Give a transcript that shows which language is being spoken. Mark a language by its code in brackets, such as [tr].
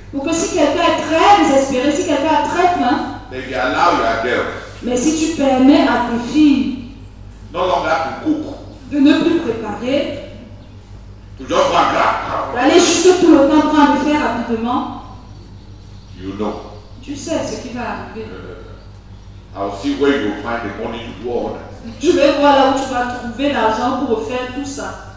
[fr] Pour que si quelqu'un est très désespéré, si quelqu'un a très faim. [en] Then you allow your girl. [fr] Mais si tu permets à tes filles. [en] No longer to cook. [fr] De ne plus préparer. [en] To just go and grab. [fr] D'aller juste tout le temps prendre le faire rapidement. [en] You know. [fr] Tu sais ce qui va arriver. [en] I'll see where you will find the money to do all that. [fr] Je vais voir là où tu vas trouver l'argent pour faire tout ça.